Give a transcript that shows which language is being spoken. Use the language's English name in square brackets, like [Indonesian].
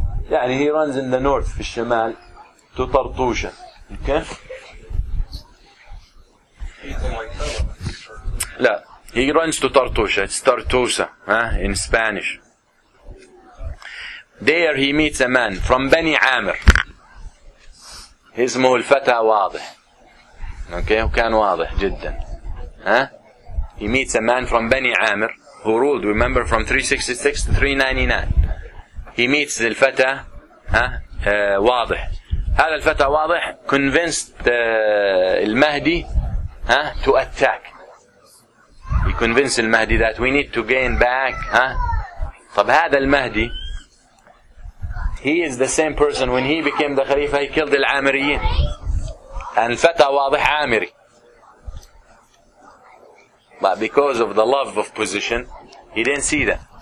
[English] يعني he runs in the north, [Arabic] في الشمال, [English] to Tartusha. Okay. He runs to Tartusha. It's Tartusa, in Spanish. There he meets a man from Bani Amr. [Arabic] اسمه الفتى واضح. Okay, who كان واضح جدا. [English] He meets a man from Bani Amr, who ruled, remember, from 366 to 399. He meets the الفتى واضح. [Arabic] هذا الفتى واضح [English] convinced [Arabic] المهدي [English] to attack. He convinced المهدي that we need to gain back. [Arabic] طب هذا [English] المهدي, he is the same person, when he became the Khalifa, he killed the Amiriyin. And Fatah واضح Amiri. But because of the love of position, he didn't see that.